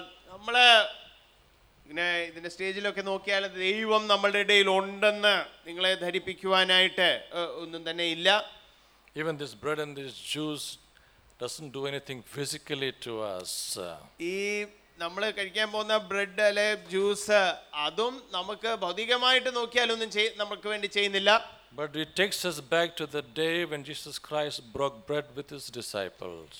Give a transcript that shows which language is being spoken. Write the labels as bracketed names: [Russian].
[Malayalam] നമ്മളെ ഇങ്ങനെ ഇതിന്റെ സ്റ്റേജിലൊക്കെ നോക്കിയാൽ ദൈവം നമ്മളുടെ ഇടയിൽ ഉണ്ടെന്ന് നിങ്ങളെ ധരിപ്പിക്കുവാനായിട്ട് ഒന്നും തന്നെ ഇല്ല. [English] Even this bread and this juice doesn't do anything physically to us. [Malayalam] ഈ നമ്മൾ കഴിക്കാൻ പോകുന്ന ബ്രെഡ് അല്ലെ ജ്യൂസ് അതും നമുക്ക് ഭൗതികമായിട്ട് നോക്കിയാൽ ഒന്നും നമുക്ക് വേണ്ടി ചെയ്യുന്നില്ല. [English] But it takes us back to the day when Jesus Christ broke bread with his disciples.